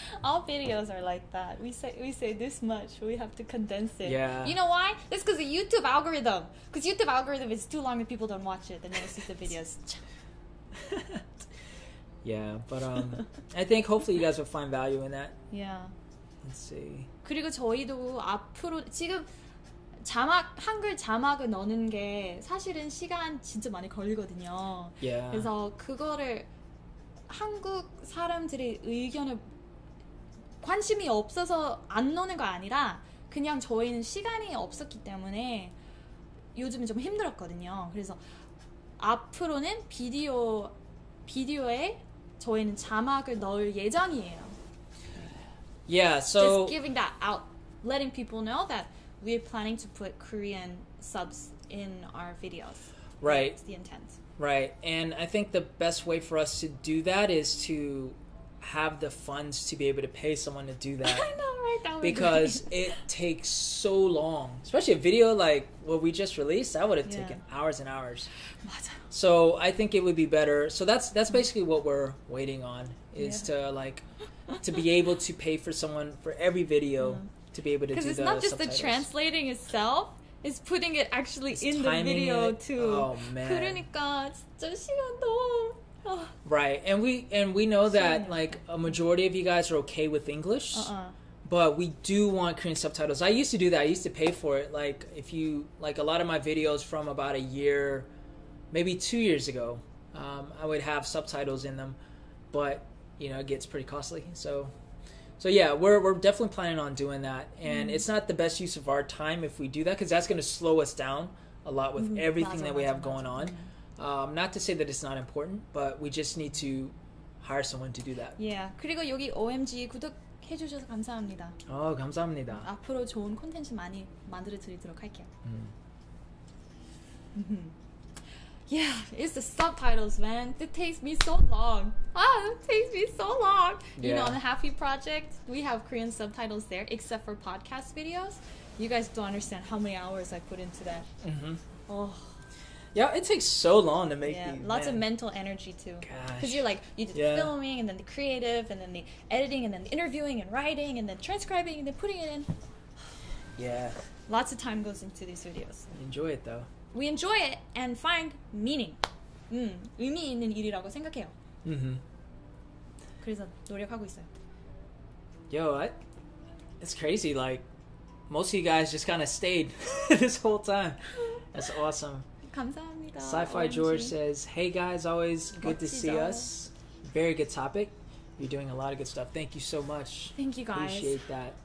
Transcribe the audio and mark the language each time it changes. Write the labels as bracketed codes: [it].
[en] All videos are like that. We say this much, we have to condense it. Yeah. You know why? It's because the YouTube algorithm. Because YouTube algorithm is too long and people don't watch it. They never see the videos. Yeah, but I think hopefully you guys will find value in that. Yeah. Let's see. [ko] 그리고 저희도 앞으로 지금 자막 한글 자막을 넣는 게 사실은 시간 진짜 많이 걸리거든요. [en] Yeah. [ko] 그래서 그거를 한국 사람들이 의견을 관심이 없어서 안 넣는 거 아니라 그냥 저희는 시간이 없었기 때문에 요즘 좀 힘들었거든요. 그래서 앞으로는 비디오에 저희는 자막을 넣을 예정이에요. [en] Yeah, so just giving that out, letting people know that we're planning to put Korean subs in our videos. Right. That's the intent. Right. And I think the best way for us to do that is to have the funds to be able to pay someone to do that. I know, right? That would because be. It takes so long. Especially a video like what we just released, that would have taken hours and hours. So I think it would be better. So that's basically what we're waiting on, is to be able to pay for someone for every video to be able to do the subtitles. Because it's not just the translating itself. Is putting it actually in the video too. Oh man. [ko] 그러니까 진짜 시간 너무. [en] Right, and we know that like a majority of you guys are okay with English, but we do want Korean subtitles. I used to do that. I used to pay for it. Like if you like a lot of my videos from about a year, maybe 2 years ago, I would have subtitles in them, but you know it gets pretty costly. So yeah, we're definitely planning on doing that. And it's not the best use of our time if we do that, because that's going to slow us down a lot with everything that we have going on. Not to say that it's not important, but we just need to hire someone to do that. Yeah. [ko] 그리고 여기 OMG 구독해 주셔서 감사합니다. 어, 감사합니다. 앞으로 좋은 콘텐츠 많이 만들어 드리도록 할게요. [en] Yeah, it's the subtitles, man. It takes me so long. You know, on the Halfie project, we have Korean subtitles there, except for podcast videos. You guys don't understand how many hours I put into that. Yeah, it takes so long to make these. Yeah, lots of mental energy, too. Gosh. Because you're like, you did the filming, and then the creative, and then the editing, and then the interviewing, and writing, and then transcribing, and then putting it in. Yeah. Lots of time goes into these videos. Enjoy it, though. We enjoy it and find meaning. [ko] 의미 있는 일이라고 생각해요. 그래서 노력하고 있어요. [en] Yo, it's crazy. Like, most of you guys just kind of stayed this whole time. That's awesome. [ko] 감사합니다. [en] Sci-Fi OMG. George says, hey guys, always good to see us. Very good topic. You're doing a lot of good stuff. Thank you so much. Thank you guys. Appreciate that.